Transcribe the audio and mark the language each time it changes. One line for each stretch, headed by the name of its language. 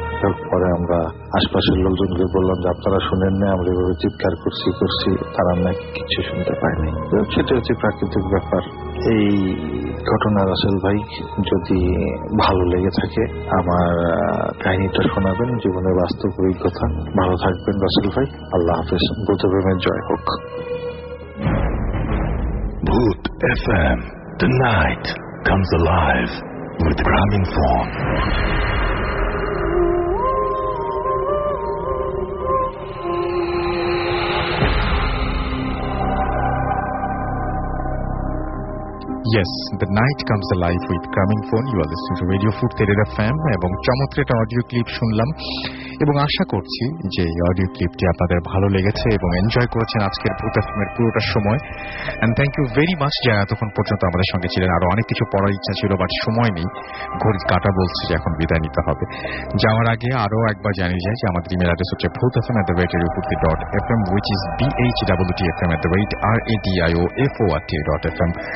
Bangla: তারপরে আমরা আশপাশের লোকজনকে বললাম যে আপনারা শুনেন না, আমরা এভাবে চিৎকার করছি করছি তারা নাকি কিছু শুনতে পায়নি। সেটা হচ্ছে প্রাকৃতিক ব্যাপার। এই ঘটনার আসল ভাই যদি ভালো লেগে থাকে আমার কাহিনীটা শোনাবেন, জীবনের বাস্তব অভিজ্ঞতা, ভালো থাকবেন রাসেল ভাই, আল্লাহ হাফেজ, ভূতপ্রেমের জয় হোক।
English: Boot FM, the night comes alive with Gramophone. Yes, the night comes alive with Gramophone. You are listening to Radio Food Theater FM.
Bangla: এবং চমৎকার একটা অডিও ক্লিপ শুনলাম এবং আশা করছি যে এই অডিও ক্লিপটি আপনাদের ভালো লেগেছে এবং এনজয় করেছেন আজকের ভূত এফএমের পুরোটা সময়।
English: and thank you very much
Bangla: যারা এতক্ষণ পর্যন্ত আমাদের সঙ্গে ছিলেন। আরো অনেক কিছু পড়ার ইচ্ছা ছিল, বাট সময় নেই, ঘড়ি কাটা বলছে যে এখন বিদায় নিতে হবে। যাওয়ার আগে আরও একবার জানিয়ে যাই যে আমাদের ইমেল অ্যাড্রেস হচ্ছে ভূত FM at the rate radio পূর্তি dot FM, which is BHWTFM at the rate RADIOFORT.FM।